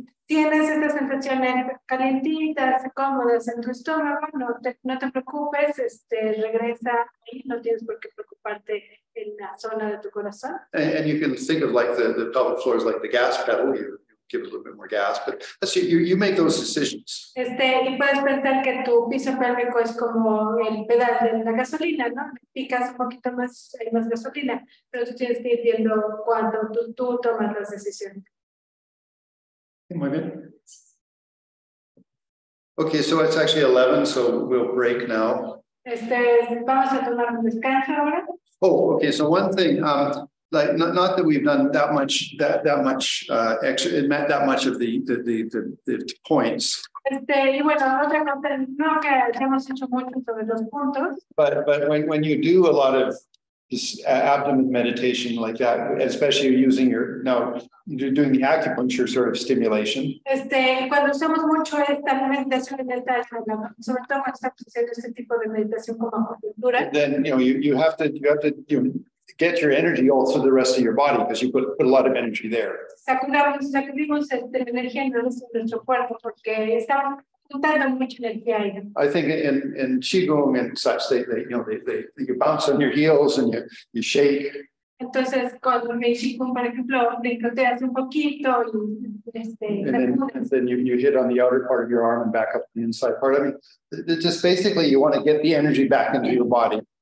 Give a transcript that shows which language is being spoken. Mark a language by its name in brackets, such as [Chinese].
[Spanish] Tienes estas sensaciones calentitas, cómodas en tu estómago, no te preocupes, regresa ahí, no tienes por qué preocuparte en la zona de tu corazón. [English] And you can think of like the pelvic floor is like the gas pedal, you give a little bit more gas, but that's you make those decisions. [Spanish] Y puedes pensar que tu piso pélvico es como el pedal de la gasolina, ¿no? Picas un poquito más, hay más gasolina, pero tú tienes que ir viendo cuando tú tomas las decisiones. Muy bien. [English] Okay, so it's actually 11, so we'll break now. [Spanish] Vamos a tomar un descanso ahora. [English] Oh, okay, so one thing, like not that we've done that much extra, that much of the points. [Spanish] Y bueno, otra cosa, no que hayamos hecho mucho sobre los puntos. [English] But when you do a lot of this abdomen meditation like that, especially using you're doing the acupuncture sort of stimulation. [Spanish] Cuando usamos mucho esta meditación en esta, sobre todo cuando estamos haciendo este tipo de meditación como acupuntura. [English] Then, you know, you have to get your energy all through the rest of your body because you put a lot of energy there. [Spanish] Sacudimos esta energía en nuestro cuerpo porque estamos. [English] I think in qigong and such, they you bounce on your heels and you shake. [Spanish] Entonces, con mi qigong, por ejemplo, brincoteas un poquito y [English] And then you hit on the outer part of your arm and back up the inside part. I mean, it just basically you want to get the energy back into your body.